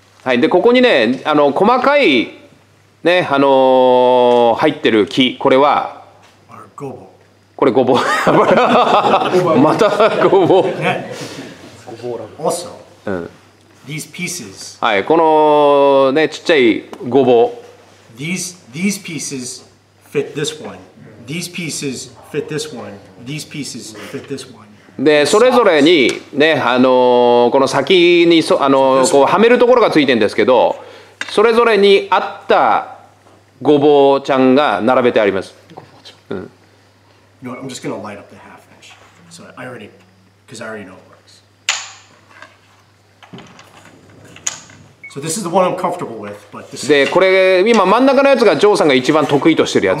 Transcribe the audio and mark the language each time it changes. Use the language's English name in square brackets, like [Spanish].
[Japanese] はい、でここにね細かいね入ってる木、これはこれごぼう。またごぼう。ごぼうラブ。 [English] Also, these pieces. [Japanese] はい、このねちっちゃいごぼう。 [English] These pieces fit this one. These pieces fit this one. These pieces fit this one. [Japanese] でそれぞれにねこの先にこうはめるところがついてるんですけど、それぞれに合ったごぼうちゃんが並べてあります。 [English] You know what, I'm just going to light up the half inch. So I already, because I already know it works. So this is the one I'm comfortable with, but this [Japanese] で、これ、今真ん中のやつがジョーさんが一番得意としてるやつ。